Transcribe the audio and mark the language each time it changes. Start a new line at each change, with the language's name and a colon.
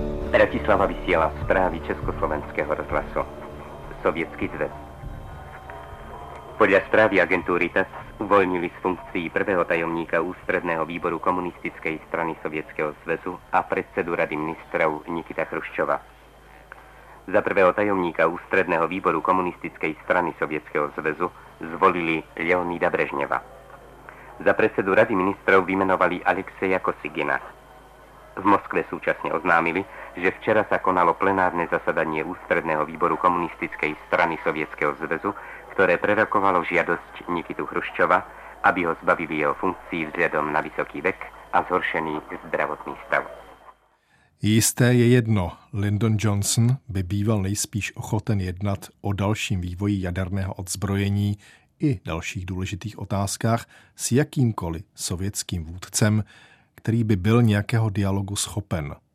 Czech: Bratislava vysílá zprávy Československého rozhlasu. Sovětský zvěst.
Slovak: Podľa správy agentúry TAS uvoľnili z funkcií prvého tajomníka ústredného výboru komunistickej strany Sovietskeho zväzu a predsedu rady ministrov Nikita Chruščova. Za prvého tajomníka ústredného výboru komunistickej strany Sovietskeho zväzu zvolili Leonida Brežneva. Za predsedu rady ministrov vymenovali Alexeja Kosygina. V Moskve súčasne oznámili, že včera sa konalo plenárne zasadanie ústredného výboru komunistickej strany Sovietskeho zväzu, ktoré prerokovalo žiadosť Nikitu Chruščova, aby ho zbavili jeho funkcií vzhľadom na vysoký vek a zhoršený zdravotný stav.
Czech: Jisté je jedno, Lyndon Johnson by býval nejspíš ochoten jednat o dalším vývoji jaderného odzbrojení i dalších důležitých otázkách s jakýmkoliv sovětským vůdcem, který by byl nějakého dialogu schopen.